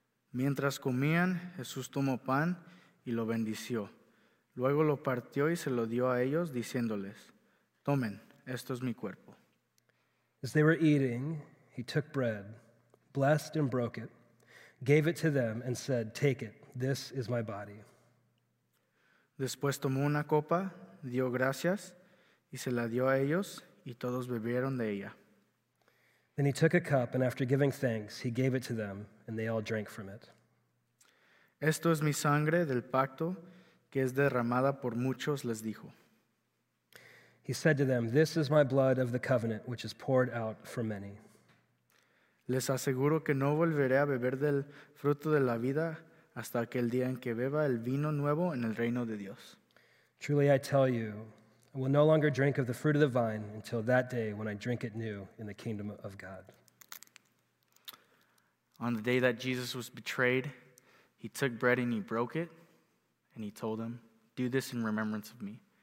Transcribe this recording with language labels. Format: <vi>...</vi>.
<es>Mientras comían, Jesús tomó pan y lo bendició. Luego lo partió y se lo dio a ellos, diciéndoles, tomen, esto es mi cuerpo.</es> <en>As they were eating, he took bread, blessed and broke it, gave it to them and said, take it, this is my body.</en> <es>Después tomó una copa, dio gracias, y se la dio a ellos, y todos bebieron de ella.</es> <en>Then he took a cup, and after giving thanks, he gave it to them, and they all drank from it.</en> <es>Esto es mi sangre del pacto, que es derramada por muchos, les dijo.</es> <en>He said to them, this is my blood of the covenant, which is poured out for many.</en> <es>Les aseguro que no volveré a beber del fruto de la vida hasta aquel día en que beba el vino nuevo en el reino de Dios.</es> <en>Truly I tell you, I will no longer drink of the fruit of the vine until that day when I drink it new in the kingdom of God. On the day that Jesus was betrayed, he took bread and he broke it, and he told them, do this in remembrance of me.</en>